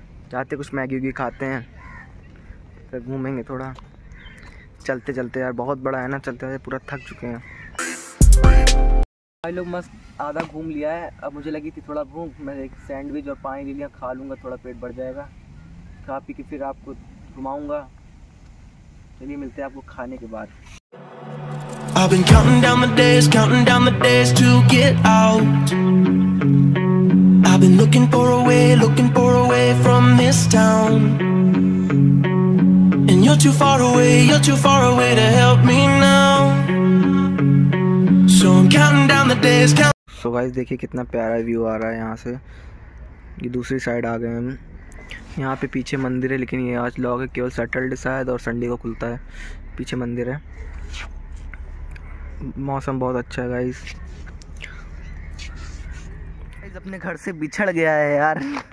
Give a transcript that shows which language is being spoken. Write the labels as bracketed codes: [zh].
[hi] जाते कुछ मैगी वैगी खाते हैं फिर घूमेंगे थोड़ा, चलते चलते यार बहुत बड़ा है ना, चलते चलते पूरा थक चुके हैं भाई लोग। मस्त आधा घूम लिया है, अब मुझे लगी थी थोड़ा भूख, मैं एक सैंडविच और पानी ले लिया, खा लूँगा थोड़ा पेट बढ़ जाएगा, खा पी के फिर आपको घुमाऊँगा। चलिए मिलते हैं आपको खाने के बाद। [en] I've been counting down the days to get out. I've been looking for a way from this town. And you're too far away to help me now. So I'm counting down the days. So guys, [hi] देखिए कितना प्यारा view आ रहा है यहाँ से, ये दूसरी side आ गए हम। यहाँ पे पीछे मंदिर है लेकिन ये आज लॉक है, केवल सैटरडे शायद और संडे को खुलता है, पीछे मंदिर है। मौसम बहुत अच्छा है गाइस, गाइस अपने घर से बिछड़ गया है यार।